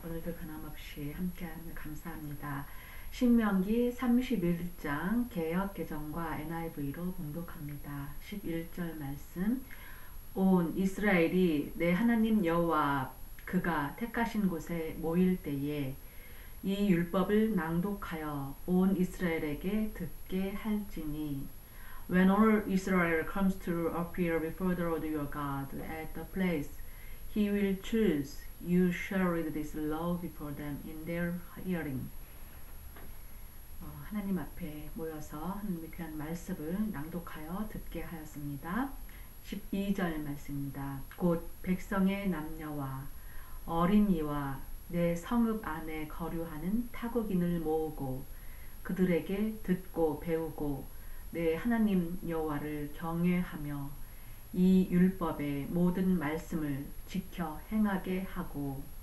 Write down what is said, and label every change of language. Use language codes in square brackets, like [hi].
[ko] 오늘도 변함없이 함께하는 감사합니다. 신명기 31장 개역 개정과 NIV로 봉독합니다. 11절 말씀. 온 이스라엘이 내 하나님 여호와 그가 택하신 곳에 모일 때에 이 율법을 낭독하여 온 이스라엘에게 듣게 할지니. [en] When all Israel comes to appear before the Lord your God at the place He will choose, you shall read this law before them in their hearing. [ko] 하나님 앞에 모여서 하나님의 귀한 말씀을 낭독하여 듣게 하였습니다. 12절 말씀입니다. 곧 백성의 남녀와 어린이와 내 성읍 안에 거류하는 타국인을 모으고 그들에게 듣고 배우고 내 하나님 여호와를 경외하며 이 율법의 모든 말씀을 지켜 행하게 하고,